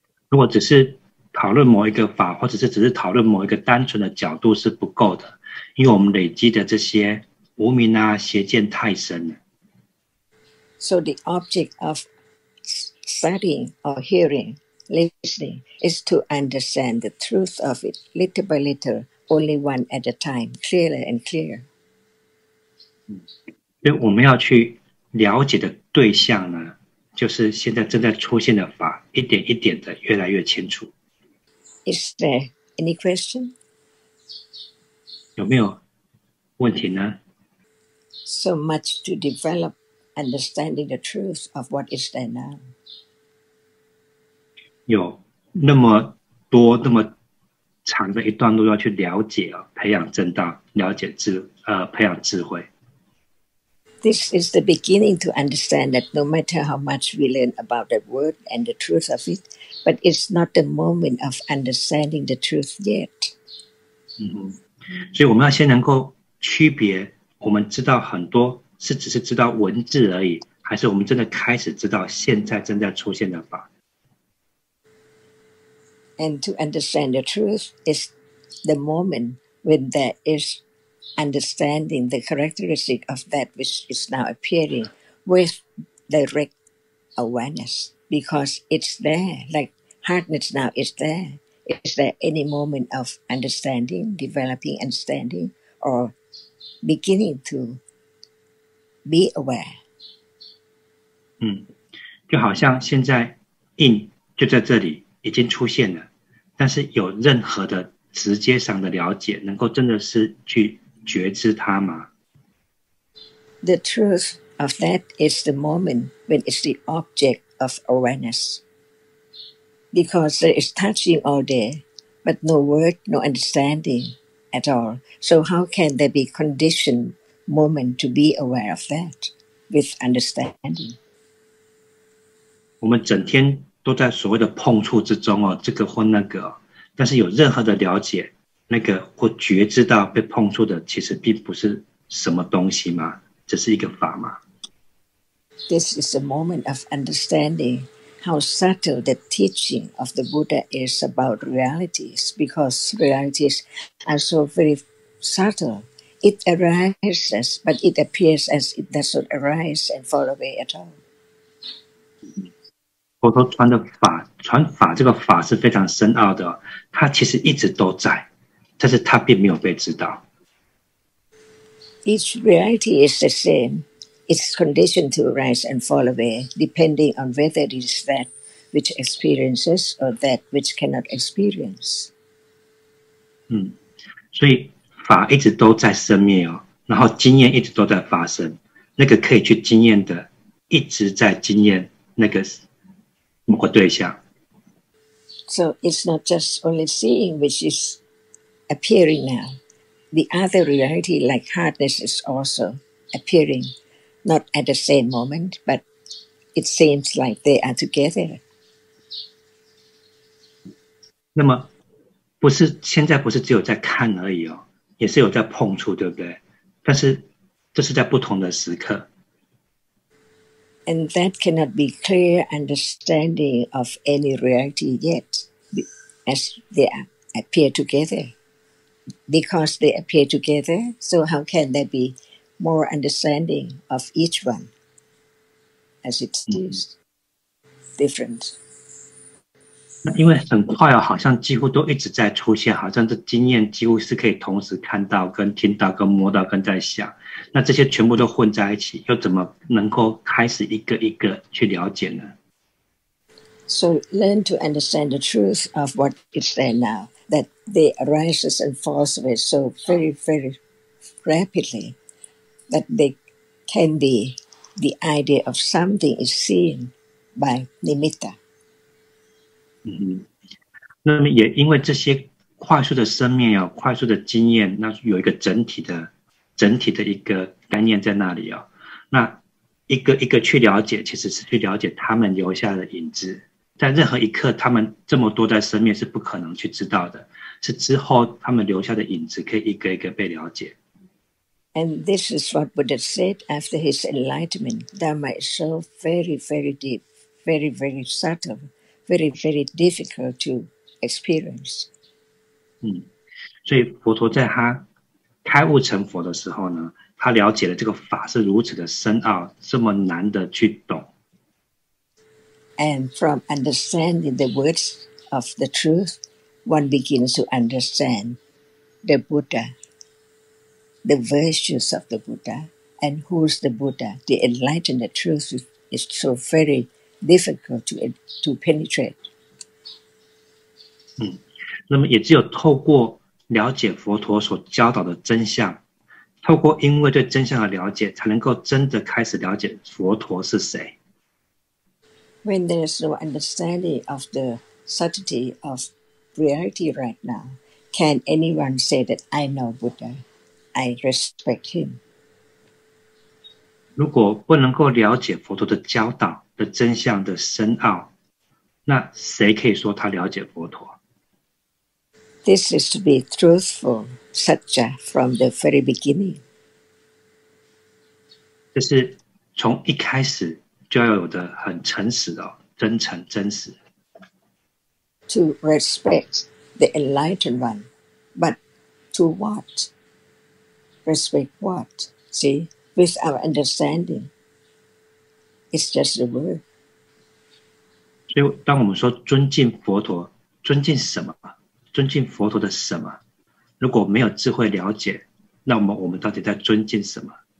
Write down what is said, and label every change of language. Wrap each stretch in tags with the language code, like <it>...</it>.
<zh>如果只是讨论某一个法，或者是只是讨论某一个单纯的角度是不够的，因为我们累积的这些无明啊、邪见太深了。</zh> <en>So the object of studying or hearing, listening, is to understand the truth of it little by little, only one at a time, clearer and clearer.</en> <zh>所以我们要去了解的对象呢，就是现在正在出现的法，一点一点的越来越清楚。</zh> <en>Is there any question?</en> <zh>有没有问题呢？</zh> <en>So much to develop understanding the truth of what is there now.</en> <zh>有那么多那么长的一段路要去了解、啊、培养正道了解智、培养智慧。</zh> <en>This is the beginning to understand that no matter how much we learn about the word and the truth of it, but it's not the moment of understanding the truth yet.、</en> <zh>嗯、所以我们要先能够区别，我们知道很多是只是知道文字而已，还是我们真的开始知道现在正在出现的法。</zh> <en>And to understand the truth is the moment when there is understanding the characteristic of that which is now appearing with direct awareness. Because it's there, like hardness now is there. Is there any moment of understanding, developing understanding, or beginning to be aware?</en> <zh>嗯，就好像现在印就在这里已经出现了。但是有任何的直接上的了解，能够真的是去觉知它吗？</zh> <en>The truth of that is the moment when it's the object of awareness. Because there is touching all there, but no word, no understanding at all. So how can there be conditioned moment to be aware of that with understanding?</en> <zh>我们整天都在所谓的碰触之中、哦、这个或那个、哦、但是有任何的了解那个或觉知到被碰触的其实并不是什么东西吗？只是一个法吗？</zh> <en>This is a moment of understanding how subtle the teaching of the Buddha is about realities because realities are so very subtle. It arises but it appears as it doesn't arise and fall away at all.</en> <zh>佛陀传的法，传法这个法是非常深奥的，它其实一直都在，但是它并没有被知道。</zh> <en>Each reality is the same, its condition to arise and fall away, depending on whether it is that which experiences or that which cannot experience.</en> <zh>嗯，所以法一直都在生灭哦，然后经验一直都在发生，那个可以去经验的，一直在经验那个。某个对象。</zh> <en>So it's not just only seeing which is appearing now. The other reality like hardness is also appearing, not at the same moment, but it seems like they are together.</en> <zh>那么不是现在不是只有在看而已哦，也是有在碰触，对不对？但是这是在不同的时刻。</zh> <en>And that cannot be clear understanding of any reality yet as they appear together. Because they appear together, so how can there be more understanding of each one as it is different?</en> <zh>因为很快、哦、好像几乎都一直在出现，好像这经验几乎是可以同时看到跟听到跟摸到跟在想。那这些全部都混在一起，又怎么能够开始一个一个去了解呢？</zh> <en>So learn to understand the truth of what is there now, that they arise and fall away so very, very rapidly, that they can be the idea of something is seen by nimitta.、</en> <zh>嗯、那么也因为这些快速的生灭、哦、快速的经验，那有一个整体的整体的一个概念在那里、哦、那一个一个去了解其实是去了解他们留下的影子，在任何一刻他们这么多在生灭是不可能去知道的，是之后他们留下的影子可以一个一个被了解。</zh> <en>And this is what Buddha said after his enlightenment. Dharma is so very very deep, very very subtle, very very difficult to experience、</en> <zh>嗯、所以佛陀在他开悟成佛的时候呢，他了解了这个法是如此的深奥，这么难的去懂。</zh> <en>And from understanding the words of the truth, one begins to understand the Buddha, the virtues of the Buddha, and who's the Buddha, the enlightened truth is so very difficult to penetrate.</en> <zh>那么也只有透过了解佛陀所教导的真相，透过因为对真相的了解，才能够真的开始了解佛陀是谁。</zh> <en>When there is no understanding of the subtlety of reality right now, can anyone say that I know Buddha? I respect him.</en> <zh>如果不能够了解佛陀的教导的真相的深奥，那谁可以说他了解佛陀？</zh> <en>This is to be truthful, Satya, from the very beginning.</en> <zh>这是从一开始就要有的很诚实哦，真诚真实。</zh> <en>To respect the enlightened one, but to what? Respect what? See, with our understanding, it's just the word.</en> <zh>所以，当我们说尊敬佛陀，尊敬什么？尊敬佛陀的什么？如果没有智慧了解，那我们到底在尊敬什么</zh>